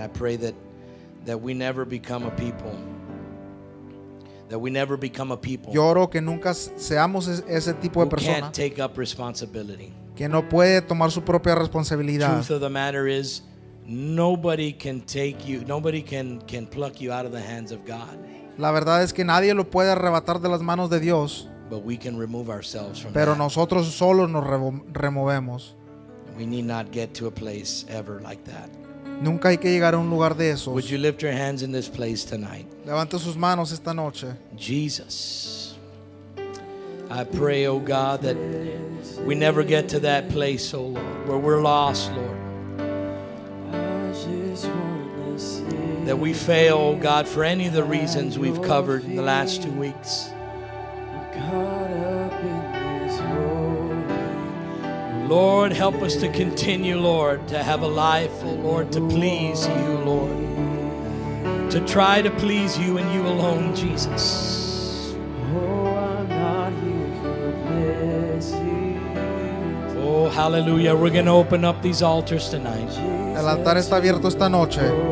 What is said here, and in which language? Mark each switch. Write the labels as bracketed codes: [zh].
[en] I pray that we never become a people. That we never become a people. [es] Yo oro que nunca seamos ese tipo de persona. [en] Who can't take up responsibility. [es] Que no puede tomar su propia responsabilidad. [en] Truth of the matter is, nobody can take you. Nobody can pluck you out of the hands of God. [es] La verdad es que nadie lo puede arrebatar de las manos de Dios. [en] But we can remove ourselves from [es] pero [en] that. [es] Nosotros solo nos removemos. [en] We need not get to a place ever like that. [es] Nunca hay que llegar a un lugar de esos. [en] Would you lift your hands in this place tonight? [es] Levanta sus manos esta noche. [en] Jesus, I pray, oh God, that we never get to that place, oh Lord, where we're lost, Lord. That we fail, oh God, for any of the reasons we've covered in the last 2 weeks. Lord, help us to continue, Lord, to have a life, oh Lord, to please you, Lord. To try to please you and you alone, Jesus. Oh, I'm not here for blessings. Oh, hallelujah. We're going to open up these altars tonight. [es] El altar está abierto esta noche.